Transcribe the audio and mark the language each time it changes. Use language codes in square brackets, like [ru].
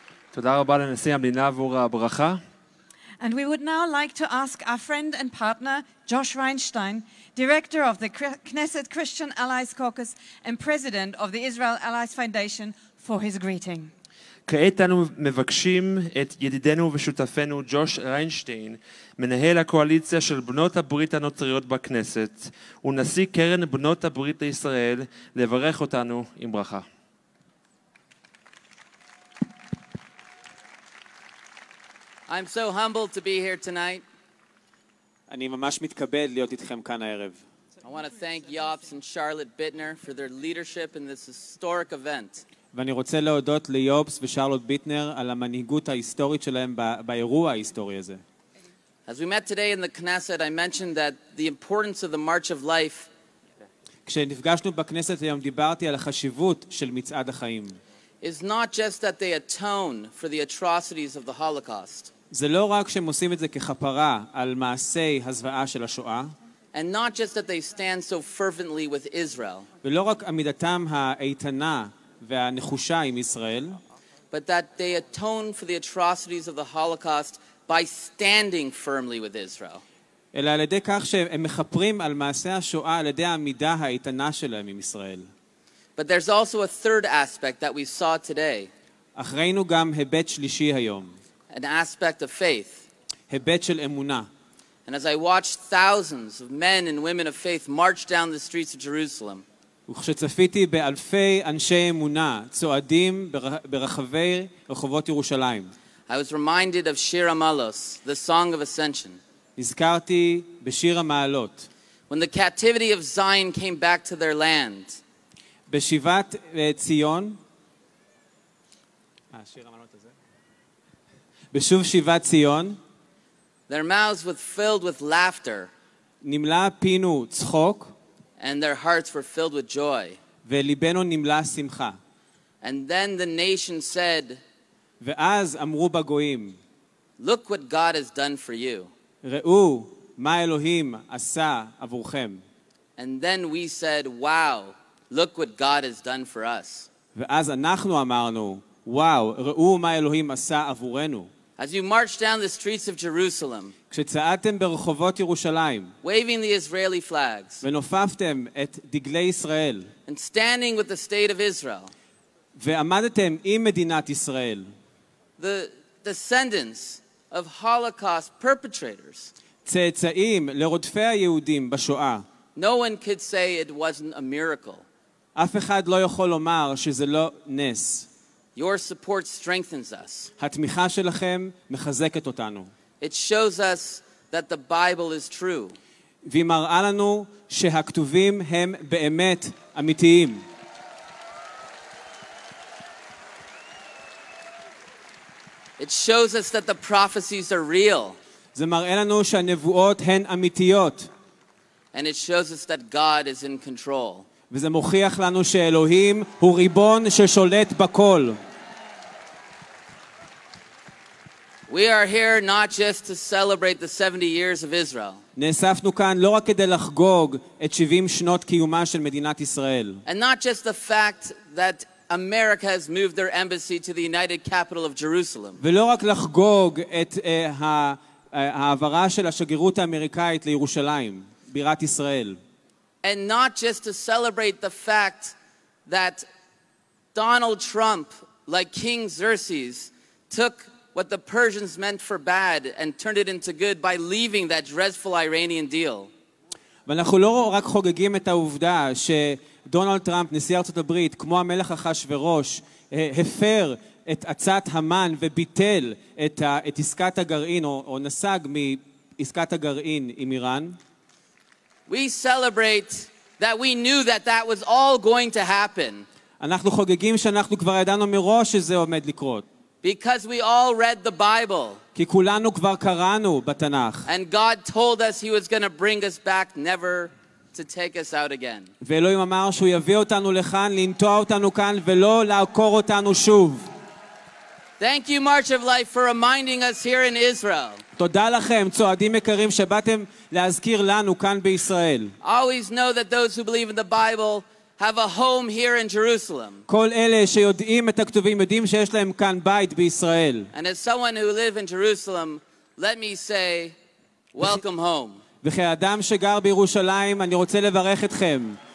[he] תודה רבה לנשיא המדינה עבור הברכה. [en] And we would now like to ask our friend and partner, Josh Reinstein, director of the Knesset Christian Allies Caucus and president of the Israel Allies Foundation, for his greeting. [he] כעת אנו מבקשים את ידידנו ושותפנו ג'וש ריינשטיין, מנהל הקואליציה של בנות הברית הנוצריות בכנסת, ונשיא קרן בנות הברית לישראל, לברך אותנו עם ברכה. [en] I'm so humbled to be here tonight. [he] אני ממש מתכבד להיות איתכם כאן הערב. [en] I want to thank Yops and Charlotte Bittner for their leadership in this historic event. [he] ואני רוצה להודות ליופס ושרלוט ביטנר על המנהיגות ההיסטורית שלהם באירוע ההיסטורי הזה. [en] As we met today in the Knesset, I mentioned that the importance of the March of Life. [he] כשנפגשנו בכנסת היום דיברתי על החשיבות של מצעד החיים. [en] It's not just that they atone for the atrocities of the Holocaust. [he] זה לא רק שהם עושים את זה כחפרה על מעשי הזוועה של השואה. [en] And not just that they stand so fervently with Israel. [he] ולא רק עמידתם האיתנה והנחושה עם ישראל. [en] But that they atone for the atrocities of the Holocaust by standing firmly with Israel. [he] אלא על ידי כך שהם מחפרים על מעשי השואה על ידי העמידה האיתנה שלהם עם ישראל. [en] But there's also a third aspect that we saw today. [he] אך ראינו גם היבט שלישי היום. [en] An aspect of faith. [he] היבט של אמונה. [en] And as I watched thousands of men and women of faith march down the streets of Jerusalem. [he] וכשצפיתי באלפי אנשי אמונה צועדים ברחבי רחובות ירושלים. [en] I was reminded of Shir HaMaalot, the Song of Ascension. [he] נזכרתי בשיר המעלות. [en] When the captivity of Zion came back to their land. [he] בשיבת ציון. השיר המעלות הזה. בשוב שיבת ציון. [en] Their mouths were filled with laughter. [he] נמלא פינו צחוק. [en] And their hearts were filled with joy. [he] וליבנו נמלא שמחה. [en] And then the nation said, [he] ואז אמרו בגויים, [en] look what God has done for you. [he] ראו מה אלוהים עשה עבורכם. [en] And then we said, wow, look what God has done for us. [he] ואז אנחנו אמרנו, וואו, ראו מה אלוהים עשה עבורנו. [en] As you marched down the streets of Jerusalem, [he] כשצעדתם ברחובות ירושלים, [en] waving the Israeli flags, [he] ונופפתם את דגלי ישראל, [en] and standing with the state of Israel, [he] ועמדתם עם מדינת ישראל, [en] the descendants of Holocaust perpetrators, [he] צאצאים לרודפי היהודים בשואה, [en] no one could say it wasn't a miracle. [he] אף אחד לא יכול לומר שזה לא נס. [en] Your support strengthens us. [he] התמיכה שלכם מחזקת אותנו. [en] It shows us that the Bible is true. [he] והיא מראה לנו שהכתובים הם באמת אמיתיים. [en] It shows us that the prophecies are real. [he] זה מראה לנו שהנבואות הן אמיתיות. [en] And it shows us that God is in control. [he] וזה מוכיח לנו שאלוהים הוא ריבון ששולט בכל. [en] We are here not just to celebrate the 70 years of Israel. [he] נאספנו כאן לא רק כדי לחגוג את 70 שנות קיומה של מדינת ישראל. [en] And not just the fact that America has moved their embassy to the United Capital of Jerusalem. [he] ולא רק לחגוג את העברה של השגרירות האמריקאית לירושלים, בירת ישראל. [en] And not just to celebrate the fact that Donald Trump, like King Xerxes, took what the Persians meant for bad and turned it into good by leaving that dreadful Iranian deal. [he] ואנחנו לא רק חוגגים את העובדה ש דונלד טראמפ, נשיא ארצות הברית, כמו המלך אחשוורוש, הפר את עצת המן וביטל את עסקת הגרעין, או נסג מעסקת הגרעין עם איראן. [en] We celebrate that we knew that that was all going to happen. [he] אנחנו חוגגים שאנחנו כבר ידענו מראש שזה עומד לקרות. [en] Because we all read the Bible. [he] כי כולנו כבר קראנו בתנך. [en] And God told us he was going to bring us back never to take us out again. [he] ואלוהים אמר שהוא יביא אותנו לכאן, לנטוע אותנו כאן ולא לעקור אותנו שוב. [en] Thank you, March of Life, for reminding us here in Israel. [he] תודה לכם, צועדים יקרים, שבאתם להזכיר לנו כאן בישראל. [en] Always know that those who believe in the Bible have a home here in Jerusalem. [he] כל אלה שיודעים את הכתובים יודעים שיש להם כאן בית בישראל. [en] And as someone who lives in Jerusalem, let me say, welcome home. [he] וכאדם שגר בירושלים, אני רוצה לברך אתכם.